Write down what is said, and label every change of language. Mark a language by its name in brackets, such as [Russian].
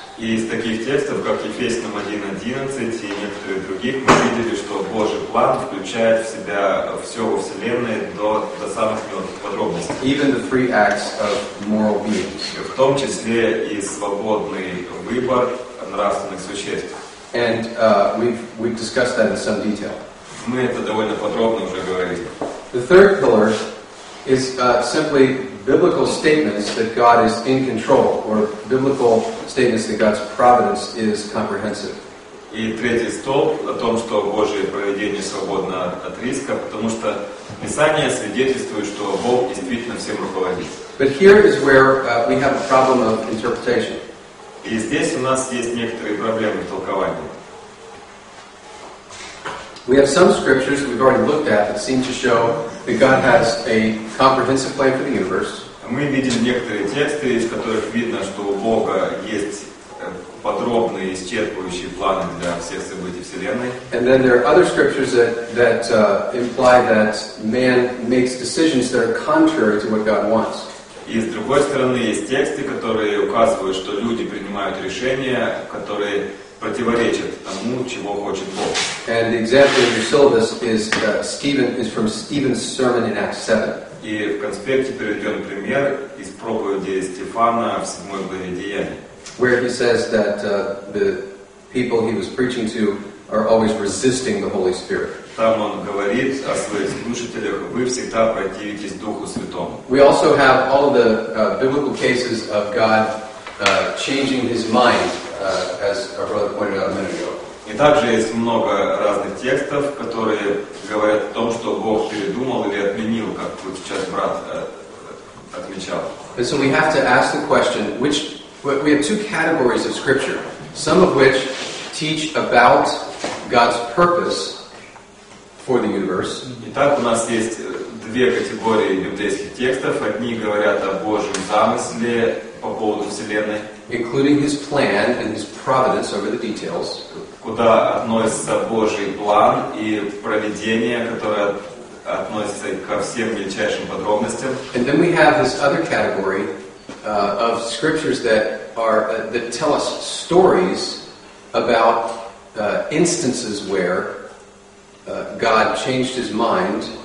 [Russian] И из таких текстов, как Ефесянам 1:11 и некоторых других, мы видели, что Божий план включает в себя все во Вселенной до самых мелких подробностей. [English] Even the free acts of moral beings. [Russian] В том числе и свободный выбор нравственных существ. [English] And we've discussed that in some detail. [Russian] Мы это довольно подробно уже говорили. [English] The third pillar is simply biblical statements that God is in control, or biblical statements that God's providence is comprehensive. [Russian] И третий столб о том, что Божье проведение свободно от риска, потому что Писание свидетельствует, что Бог действительно всем руководит. [English] But here is where we have a problem of interpretation. [Russian] И здесь у нас есть некоторые проблемы в толковании. [English] We have some scriptures we've already looked at that seem to show that God has a comprehensive plan for the universe. [Russian] Мы видим некоторые тексты, из которых видно, что у Бога есть подробные и исчерпывающие планы для всех событий Вселенной. [English] And then there are other scriptures that imply that man makes decisions that are contrary to what God wants. [Russian] И с другой стороны, есть тексты, которые указывают, что люди принимают решения, которые противоречат тому, чего хочет Бог. [English] And the example in your syllabus is from Stephen's sermon in Acts 7. [Russian] И в конспекте приведен пример из проповеди Стефана в 7 главе Деяний. [English] Where he says that the people he was preaching to are always resisting the Holy Spirit. [Russian] Там он говорит о своих слушателях: вы всегда противитесь Духу Святому. [English] We also have all the biblical cases of God changing his mind, as our brother pointed out a minute ago. [Russian] И также есть много разных текстов, которые говорят о том, что Бог передумал или отменил, как вот сейчас брат отмечал. [English] And so we have to ask the question, we have two categories of Scripture, some of which teach about God's purpose for the universe. [Russian] Итак, у нас есть две категории библейских текстов. Одни говорят о Божьем замысле по поводу Вселенной, [English] including his plan and his providence over the details. [Russian] Куда относится Божий план и проведение, которое относится ко всем мельчайшим подробностям. [English] And then we have this other category of scriptures that tell us stories about instances where God changed his mind.